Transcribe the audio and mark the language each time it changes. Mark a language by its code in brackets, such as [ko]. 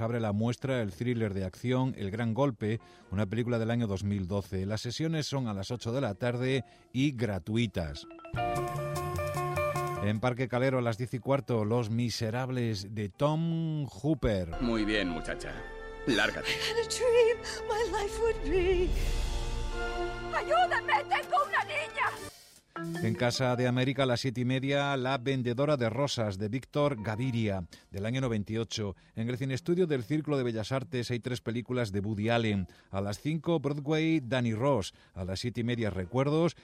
[es] Abre la muestra el thriller de acción El Gran Golpe, una película del año 2012. Las sesiones son a las 8 de la tarde y gratuitas. En Parque Calero a las 10 y cuarto, Los Miserables de Tom Hooper. Muy bien, muchacha. Lárgate. [en] I had a dream my life would be. [es] ¡Ayúdame! ¡Tengo una niña! En Casa de América a las 7 y media, La Vendedora de Rosas de Víctor Gaviria, del año 98. En el Cineestudio del Círculo de Bellas Artes hay 3 películas de Woody Allen. A las 5, Broadway, Danny Ross. A las 7 y media, Recuerdos.